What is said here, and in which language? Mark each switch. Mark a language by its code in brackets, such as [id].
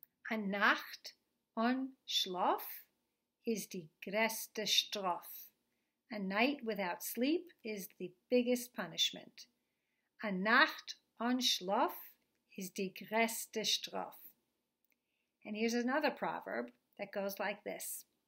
[de] A Nacht on Schlaf is die größte Strafe. [en] A night without sleep is the biggest punishment. [de] A Nacht on Schlaf is die größte Strafe. [en] And here's another proverb that goes like this.